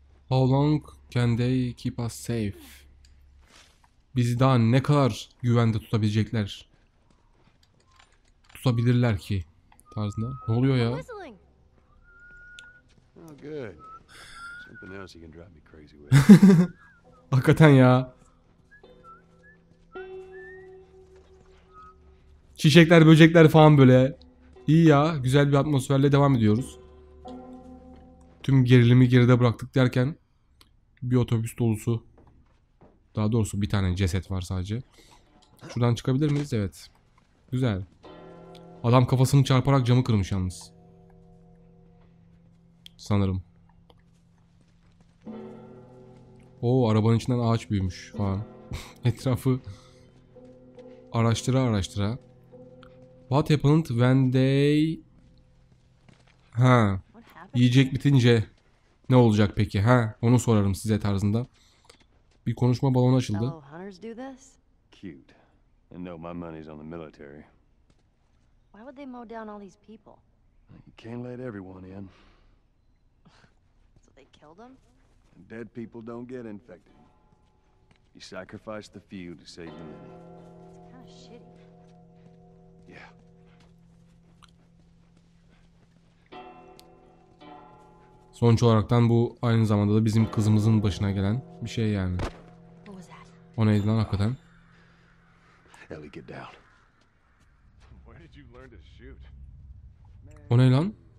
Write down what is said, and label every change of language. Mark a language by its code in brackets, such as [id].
[en] How long can they keep us safe? [tr] Bizi daha ne kadar güvende tutabilecekler? Tutabilirler ki tarzında. Ne oluyor ya? [en] Oh good. Something else you can drive me crazy with. [tr] Hakikaten ya. Çiçekler, böcekler falan böyle. İyi ya, güzel bir atmosferle devam ediyoruz. Tüm gerilimi geride bıraktık derken bir otobüs dolusu Daha doğrusu bir tane ceset var sadece. Şuradan çıkabilir miyiz? Evet. Güzel. Adam kafasını çarparak camı kırmış yalnız. Sanırım. Oo, arabanın içinden ağaç büyümüş falan. Etrafı araştıra araştıra. [en] What happened when they... Ha. [tr] Yiyecek bitince ne olacak peki? Ha, onu sorarım size tarzında. Bir konuşma balonu açıldı. [en] Cute. I know my money's on the military. Why would they mow down all these people? You can't let everyone in. So they killed them? Dead people don't get infected. You sacrifice the few to save the many. It's kind of shitty. Yeah. [tr] Sonuç olaraktan bu aynı zamanda da bizim kızımızın başına gelen bir şey yani. O neydi lan hakikaten? [en] Ellie, get down. Where did you learn to shoot? [tr] O ne lan?